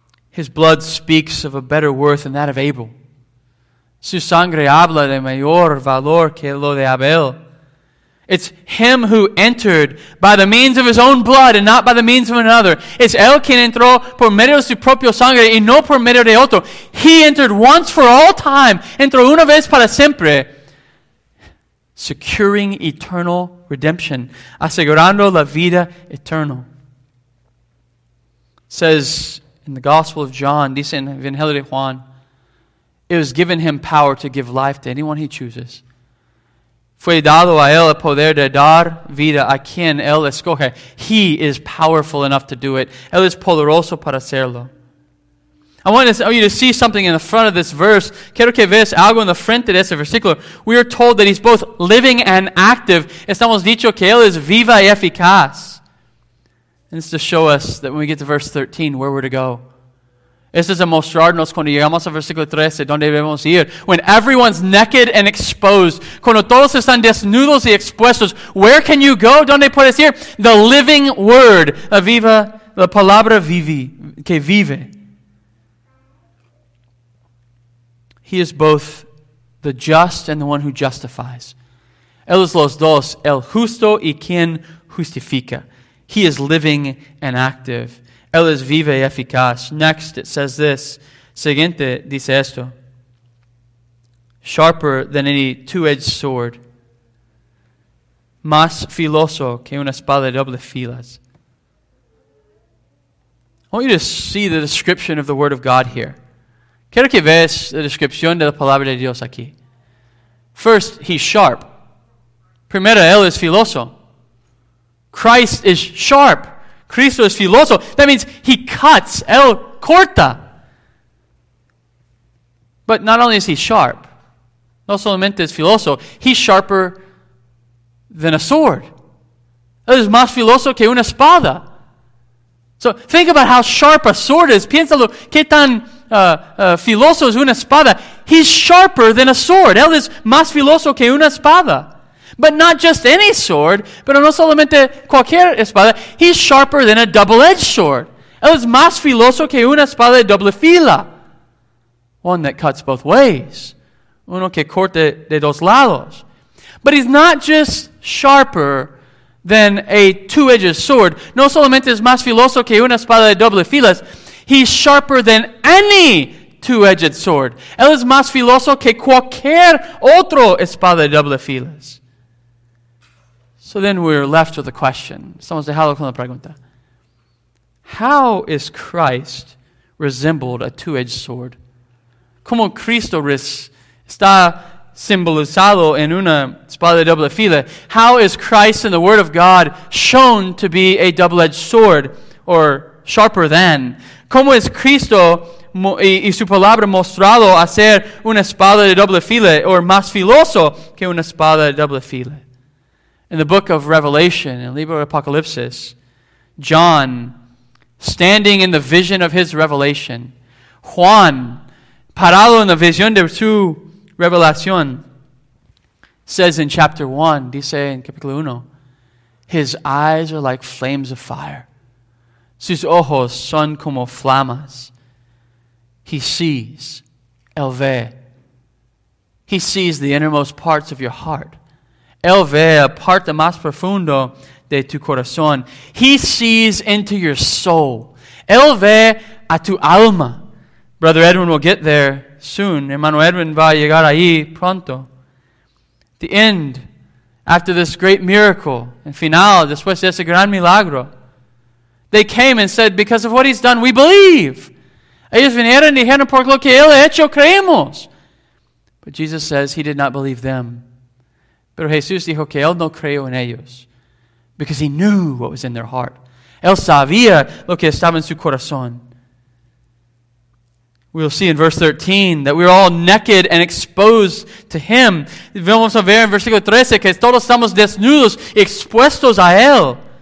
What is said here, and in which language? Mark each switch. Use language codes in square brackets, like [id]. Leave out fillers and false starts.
[en] His blood speaks of a better worth than that of Abel. [es] Su sangre habla de mayor valor que lo de Abel. [en] It's Him who entered by the means of His own blood and not by the means of another. It's [es] Él quien entró por medio de su propio sangre y no por medio de otro. [en] He entered once for all time. [es] Entró una vez para siempre. [en] Securing eternal redemption. [es] Asegurando la vida eterna. [en] Says in the Gospel of John, [es] dice en Evangelio de Juan, [en] it was given Him power to give life to anyone He chooses. [es] Fue dado a Él el poder de dar vida a quien Él escoge. [en] He is powerful enough to do it. [es] Él es poderoso para hacerlo. [en] I want you to see something in the front of this verse. [es] Quiero que veas algo en la frente de ese versículo. [en] We are told that he's both living and active. [es] Estamos dicho que él es viva y eficaz. [en] And it's to show us that when we get to verse 13, where we're to go. [es] Esto es a mostrarnos cuando llegamos al versículo 13, donde debemos ir. [en] When everyone's naked and exposed. [es] Cuando todos están desnudos y expuestos. [en] Where can you go? [es] ¿Dónde puedes ir? [en] The living word. [es] La palabra vive, que vive. [en] He is both the just and the one who justifies. [es] Él es los dos, el justo y quien justifica. [en] He is living and active. [es] Él es vive y eficaz. [en] Next, it says this. [es] Siguiente, dice esto. [en] Sharper than any two-edged sword. [es] Más filoso que una espada de doble filas. [en] I want you to see the description of the Word of God here. [es] Quiero que veas la descripción de la palabra de Dios aquí. [en] First, he's sharp. [es] Primero, él es filoso. [en] Christ is sharp. [es] Cristo es filoso. [en] That means he cuts. [es] Él corta. [en] But not only is he sharp. [es] No solamente es filoso. [en] He's sharper than a sword. [es] Él es más filoso que una espada. [en] So think about how sharp a sword is. [es] Piénsalo, qué tan filoso es una espada. [en] He's sharper than a sword. [es] Él es más filoso que una espada. [en] But not just any sword, [es] pero no solamente cualquier espada. [en] He's sharper than a double-edged sword. [es] Él es más filoso que una espada de doble fila. [en] One that cuts both ways. [es] Uno que corta de dos lados. [en] But he's not just sharper than a two-edged sword. [es] No solamente es más filoso que una espada de doble filas. [en] He's sharper than any two-edged sword. [es] Él es más filoso que cualquier otro espada de doble filas. [en] So then we're left with a question. [es] Estamos dejando con la pregunta. [en] How is Christ resembled a two-edged sword? [es] ¿Cómo Cristo está simbolizado en una espada de doble fila? [en] How is Christ in the Word of God shown to be a double-edged sword or sharper than? [es] ¿Cómo es Cristo y su palabra mostrado a ser una espada de doble fila o más filoso que una espada de doble fila? [en] In the book of Revelation, in the [es] libro de Apocalipsis, [en] John, standing in the vision of his revelation, [es] Juan, parado en la visión de su revelación, [en] says in chapter 1, [es] dice en capítulo 1, [en] his eyes are like flames of fire. [es] Sus ojos son como flamas. [en] He sees. [es] Él ve. [en] He sees the innermost parts of your heart. [es] Él ve la parte más profundo de tu corazón. [en] He sees into your soul. [es] Él ve a tu alma. [en] Brother Edwin will get there soon. [es] Hermano Edwin va a llegar ahí pronto. [en] The end, after this great miracle, [es] el final, después de ese gran milagro, [en] they came and said, because of what he's done, we believe. [es] Ellos vinieron y dijeron, por lo que él ha hecho, creemos. [en] But Jesus says he did not believe them. [es] Pero Jesús dijo que él no creyó en ellos. [en] Because he knew what was in their heart. [es] Él sabía lo que estaba en su corazón. [en] We'll see in verse 13 that we're all naked and exposed to him. [es] Vamos a ver en versículo 13 que todos estamos desnudos y expuestos a él.